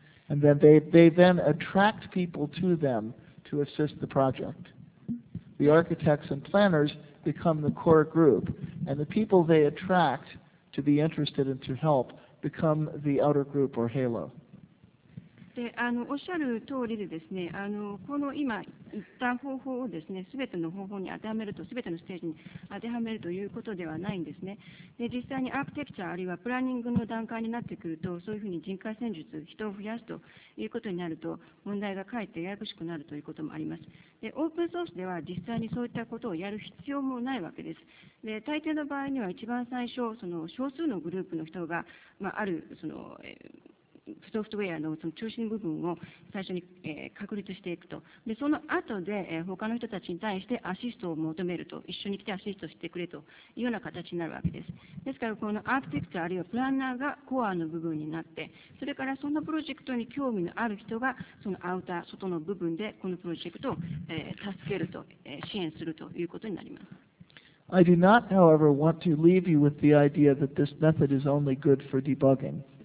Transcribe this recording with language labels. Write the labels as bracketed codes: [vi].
[en] And then they then attract people to them to assist the project. The architects and planners become the core group, and the people they attract to be interested and to help become the outer group or halo. [ja] おっしゃる通りでですね、この今言った方法をですね、すべての方法に当てはめると、すべてのステージに当てはめるということではないんですね。で、実際にアーキテクチャあるいはプランニングの段階になってくると、そういうふうに人海戦術、人を増やすということになると、問題がかえってややこしくなるということもあります。で、オープンソースでは実際にそういったことをやる必要もないわけです。で、大抵の場合には一番最初、その少数のグループの人が、あるそのソフトウェア の, その中心部分を最初に確立していくと、でその後で他の人たちに対してアシストを求めると、一緒に来てアシストしてくれというような形になるわけです。ですから、このアーキテクチャ、あるいはプランナーがコアの部分になって、それからそのプロジェクトに興味のある人が、そのアウター、外の部分でこのプロジェクトを助けると、支援するということになります。 [en] I do not, however, want to leave you with the idea that this method is only good for debugging.